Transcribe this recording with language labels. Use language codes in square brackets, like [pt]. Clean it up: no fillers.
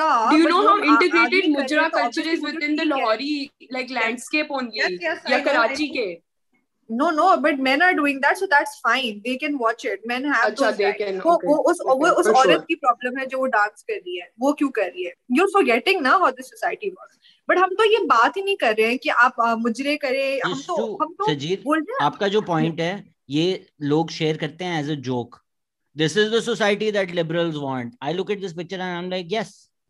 [en] do you know how integrated mujra culture is within the Lahori like landscape only [hi] या कराची के? [en] No, no, but men are doing that, so that's fine. They can watch it. Men have Achha, those rights. Okay. [hi] उस औरत की problem है जो वो dance कर रही है, वो क्यों कर रही है? [en] You're forgetting ना how the society works. [hi] But हम तो ये बात ही नहीं कर रहे हैं कि आप मुजरे करें, हम तो Sajeer, बोल रहे हैं। आपका जो point है, ये लोग share करते हैं [en] as a joke. This is the society that liberals want. I look at this picture and I'm like, yes,